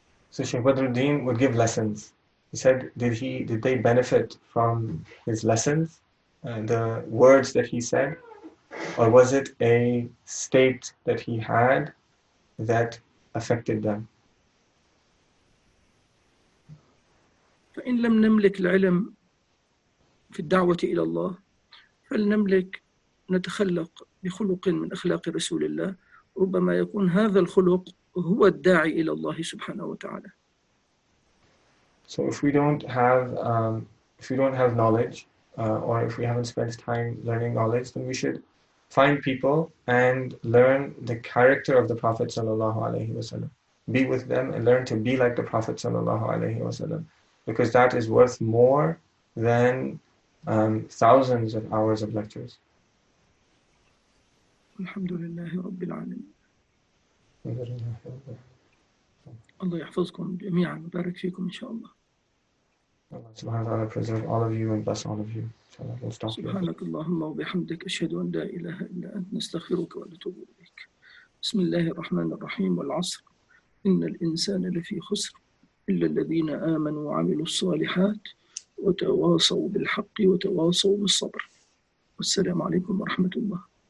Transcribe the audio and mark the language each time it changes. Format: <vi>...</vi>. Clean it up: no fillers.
<en>So Sheikh Badruddin would give lessons. He said, did they benefit from his lessons, the words that he said, or was it a state that he had that affected them?</en> <ar>فإن لم نملك العلم في الدعوة إلى الله، هل نملك نتخلق بخلق من أخلاق رسول الله؟ ربما يكون هذا الخلق هو الداعي إلى الله سبحانه وتعالى.</ar> <en>So if we don't have if we don't have knowledge, or if we haven't spent time learning knowledge, then we should find people and learn the character of the Prophet sallallahu alaihi wasallam. Be with them and learn to be like the Prophet sallallahu alaihi wasallam, because that is worth more than thousands of hours of lectures.</en> <ar>الحمد لله رب العالمين. الحمد لله رب العالمين. الله يحفظكم جميعا وبارك فيكم إن شاء الله.</ar> <en>Allah subhanahu wa ta'ala preserve all of you and bless all of you. Inshallah, we'll stop here.</en> <ar>سبحانك اللهم وبحمدك أشهد أن لا إله إلا أنت نستغفرك ونتوب إليك. بسم الله الرحمن الرحيم والعصر إن الإنسان لفي خسر إلا الذين آمنوا وعملوا الصالحات وتواصوا بالحق وتواصوا بالصبر. والسلام عليكم ورحمة الله.</ar>